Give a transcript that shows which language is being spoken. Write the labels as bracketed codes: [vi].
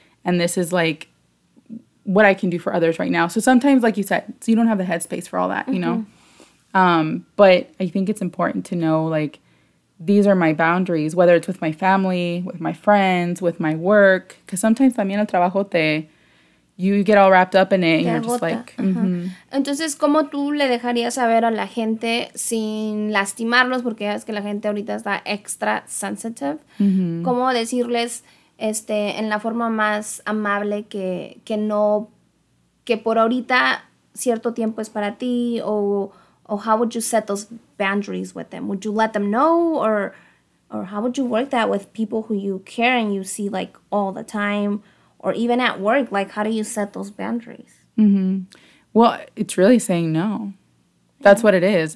[en] And this is like what I can do for others right now. So sometimes, like you said, so you don't have the headspace for all that, you know? But I think it's important to know, like, these are my boundaries, whether it's with my family, with my friends, with my work. Because sometimes [es] también el trabajo [en] you get all wrapped up in it and you're just like... [es] Entonces, ¿cómo tú le dejarías saber a la gente sin lastimarlos? Porque es que la gente ahorita está [en] extra sensitive. [es] ¿Cómo decirles en la forma más amable que por ahorita cierto tiempo es para ti o... [en] Or how would you set those boundaries with them? Would you let them know? Or how would you work that with people who you care and you see, like, all the time? Or even at work, like, how do you set those boundaries? Well, it's really saying no. That's what it is.